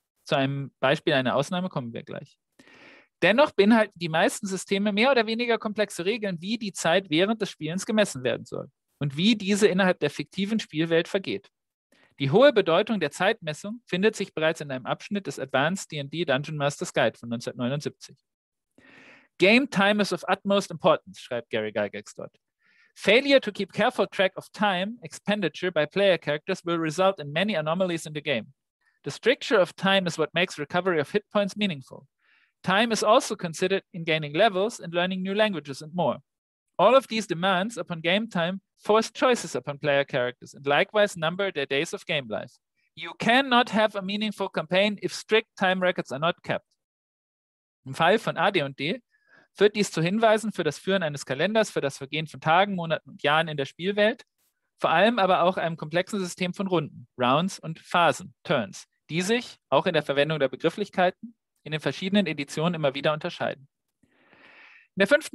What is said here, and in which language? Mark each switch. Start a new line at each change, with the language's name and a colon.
German: Zu einem Beispiel einer Ausnahme kommen wir gleich. Dennoch beinhalten die meisten Systeme mehr oder weniger komplexe Regeln, wie die Zeit während des Spielens gemessen werden soll und wie diese innerhalb der fiktiven Spielwelt vergeht. Die hohe Bedeutung der Zeitmessung findet sich bereits in einem Abschnitt des Advanced D&D Dungeon Master's Guide von 1979.
English: Game time is of utmost importance,
German: schreibt Gary Gygax dort.
English: Failure to keep careful track of time expenditure by player characters will result in many anomalies in the game. The stricture of time is what makes recovery of hit points meaningful. Time is also considered in gaining levels and learning new languages and more. All of these demands upon game time force choices upon player characters and likewise number their days of game life. You cannot have a meaningful campaign if strict time records are not kept.
German: Im Fall von AD&D führt dies zu Hinweisen für das Führen eines Kalenders, für das Vergehen von Tagen, Monaten und Jahren in der Spielwelt, vor allem aber auch einem komplexen System von Runden, Rounds und Phasen, Turns, die sich, auch in der Verwendung der Begrifflichkeiten, in den verschiedenen Editionen immer wieder unterscheiden. In der 5.